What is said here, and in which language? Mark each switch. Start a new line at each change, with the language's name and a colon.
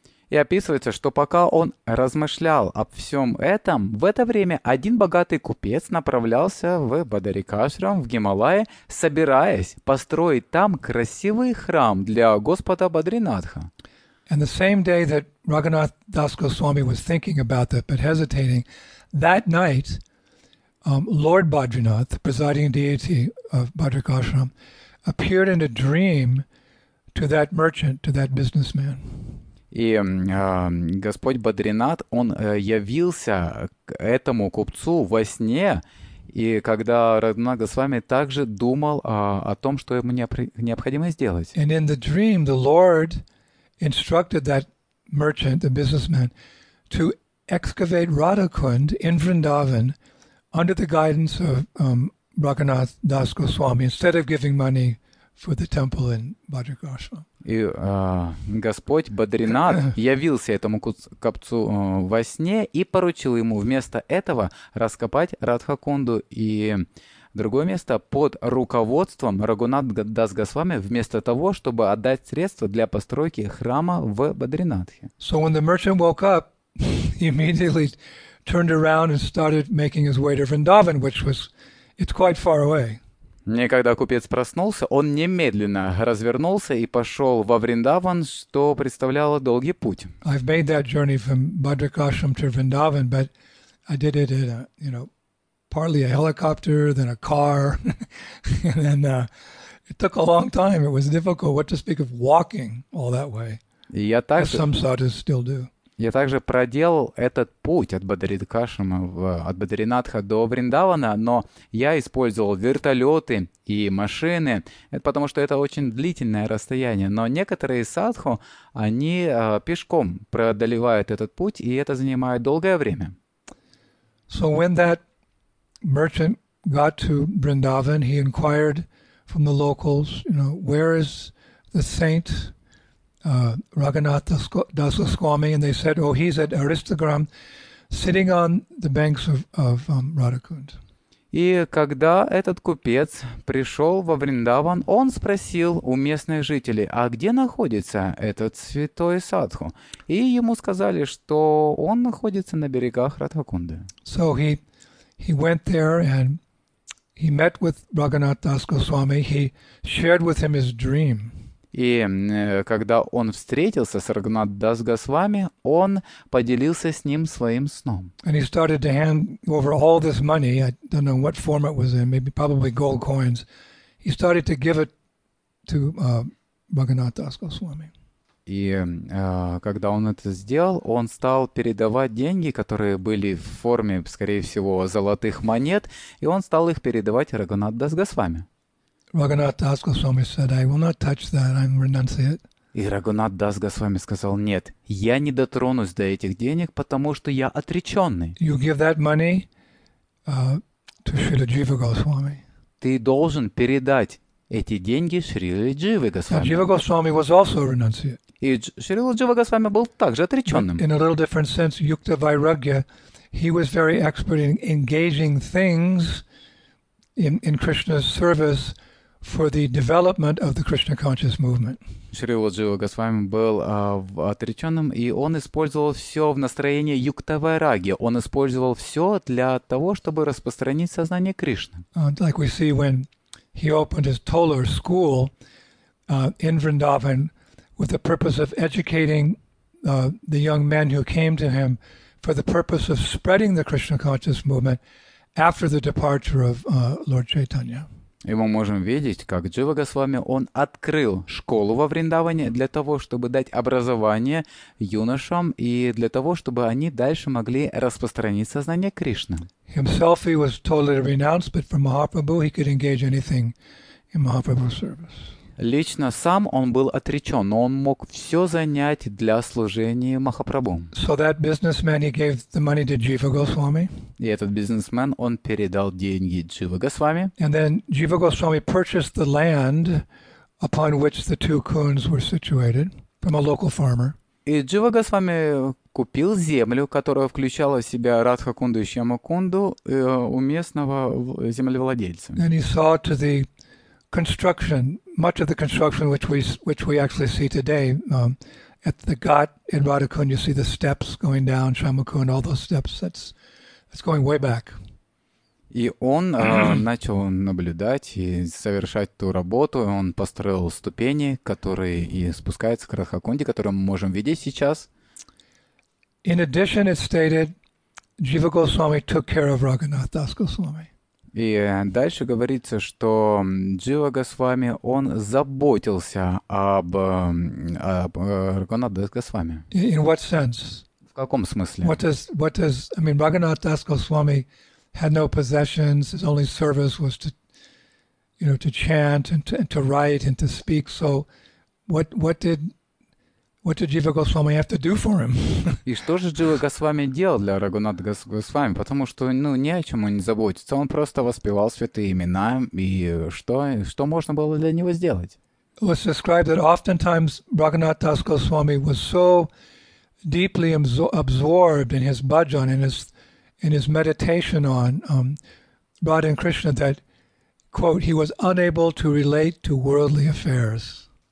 Russian: И описывается, что пока он размышлял об всем этом, в это время один богатый купец направлялся в Бадрик Ашрам в Гималае, собираясь построить там красивый храм для Господа Бадринатха.
English: And the same day that Raghunath Das Goswami was thinking about that but hesitating, that night Lord Badrinath, presiding deity of Badrik Ashram, appeared in a dream to that merchant, to that businessman.
Russian: И Господь Бадринат, он явился к этому купцу во сне, и когда Радхунатх Госвами также думал о том, что ему необходимо сделать.
English: And in the dream, the Lord instructed that merchant, the businessman, to excavate Radhakund in Vrindavan under the guidance of Raghunath Das Goswami instead of giving money for the temple in Vajrakasa.
Russian: И Господь Бадринат явился этому копцу во сне и поручил ему вместо этого раскопать Радхакунду и другое место под руководством Рагунат Дас Госвами вместо того, чтобы отдать средства для постройки храма в Бадринатхе.
English: So when the merchant woke up, he immediately turned around and started making his way to Vrindavan, which was it's quite far away.
Russian: И когда купец проснулся, он немедленно развернулся и пошел во Вриндаван, что представляло долгий путь.
English: I've made that journey from Bhadrakashram to Vrindavan, but I did it in a, you know, partly a helicopter, then a car, and then it took a long time. It was difficult, what to speak of walking all that way, as some sadhus still do.
Russian: Я также проделал этот путь от Бадринатхи от Бадринатха до Вриндавана, но я использовал вертолеты и машины, это потому что это очень длительное расстояние. Но некоторые садху, они пешком преодолевают этот путь, и это занимает долгое время.
English: So when that merchant got to Vrindavan, he inquired from the locals, you know, where is the saint? Raghunath Das Goswami, and they said, "Oh, he's at Aristogram, sitting on the banks of Radhakund."
Russian: И когда этот купец пришел во Вриндаван, он спросил у местных жителей, а где находится этот святой садху? И ему сказали, что он находится на берегах Радхакунды.
English: So he went there and he met with Raghunath Das Goswami. He shared with him his dream.
Russian: И когда он встретился с Рагнат Дас Госвами, он поделился с ним своим сном.
English: And he started to hand over all this money. I don't know what form it was in, maybe probably gold coins. He started to give it to Raghunath Das Goswami.
Russian: И когда он это сделал, он стал передавать деньги, которые были в форме, скорее всего, золотых монет, и он стал их передавать Рагнат Дас Госвами.
English: Raghunath Das Goswami said, "I will not touch that. I'm renunciate."
Russian: И Рагунат Дас Госвами сказал: "Нет, я не дотронусь до этих денег, потому что я отреченный."
English: You give that money to Srila Jiva Goswami.
Russian: Ты должен передать эти деньги Шриле Дживе Госвами.
English: Now, Jiva Goswami was also a renunciate.
Russian: И Шрила Джива Госвами был также отреченным.
English: In a little different sense, Yukta Vairagya, he was very expert in engaging things in Krishna's service. For the development of the Krishna conscious movement.
Russian: Шрила Джива Госвами был отреченным, и он использовал все в настроении Юкта Вайраги. Он использовал все для того, чтобы распространить сознание Кришны.
English: Like we see when he opened his Toller school in Vrindavan with the purpose of educating the young men who came to him for the purpose of spreading the Krishna conscious movement after the departure of Lord Chaitanya.
Russian: И мы можем видеть, как Джива Госвами, он открыл школу во Вриндаване для того, чтобы дать образование юношам и для того, чтобы они дальше могли распространить сознание Кришны.
English: Himself he was totally renounced, but for Mahaprabhu he could engage anything in Mahaprabhu's service.
Russian: Лично сам он был отречен, но он мог все занять для служения Махапрабху.
English: So that businessman, he gave the money to Jiva Goswami.
Russian: И этот бизнесмен, он передал деньги Джива Госвами.
English: And then Jiva Goswami purchased the land upon which the two kuns were situated from a local farmer.
Russian: И Джива Госвами купил землю, которая включала в себя Радхакунду и Шьямакунду у местного землевладельца.
English: And he saw to the construction, much of the construction which we actually see today at the Ghat in Radhakund, you see the steps going down, Shyamakund, all those steps, that's going way back.
Russian: И он начал наблюдать и совершать ту работу, он построил ступени, которые и спускаются к Радхакунде, которые мы можем видеть сейчас.
English: In addition, it stated, Jiva Goswami took care of Raghunath Das Goswami.
Russian: И дальше говорится, что Джива Госвами, он заботился об Рагунат Дас Госвами.
English: In what sense?
Russian: В каком смысле?
English: What does Рагунат Дас Госвами had no possessions, his only service was to, you know, to chant and to write and to speak. So what did What did Jiva Goswami have to do for him?
Russian: И что же Джива Госвами делал для Рагунатха Госвами? Потому что, ну, не о чем он не заботится. Он просто воспевал святые имена. И что, что можно было для него сделать?
English: It was described that oftentimes Raghunath Das Goswami was so deeply absorbed in his bhajan, in his meditation on Radha and Krishna, that, quote, he was unable to relate to worldly affairs.